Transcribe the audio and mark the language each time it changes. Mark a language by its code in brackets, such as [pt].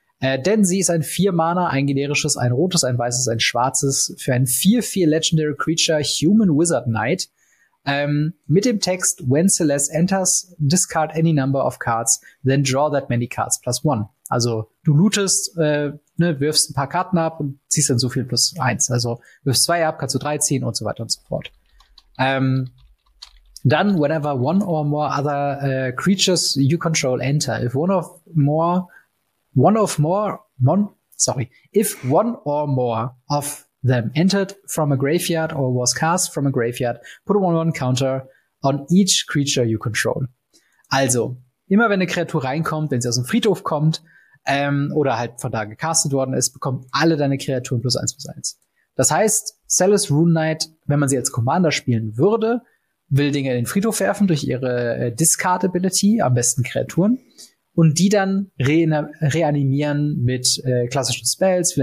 [de] Denn sie ist ein 4-Mana, ein generisches, ein rotes, ein weißes, ein schwarzes für ein 4-4 Legendary Creature Human Wizard Knight. Mit dem Text, [en] when Celeste enters, discard any number of cards, then draw that many cards plus one. [de] Also du lootest, wirfst ein paar Karten ab und ziehst dann so viel plus eins. Also wirfst zwei ab, kannst du drei ziehen und so weiter und so fort. Dann, [en] whenever one or more other creatures you control enter, if one or more of them entered from a graveyard or was cast from a graveyard, put a 1/1 counter on each creature you control. [de] Also, immer wenn eine Kreatur reinkommt, wenn sie aus dem Friedhof kommt, oder halt von da gecastet worden ist, bekommen alle deine Kreaturen +1/+1. Das heißt, Celeste Rune Knight, wenn man sie als Commander spielen würde, will Dinge in den Friedhof werfen durch ihre Discard-Ability, am besten Kreaturen, und die dann reanimieren mit klassischen Spells.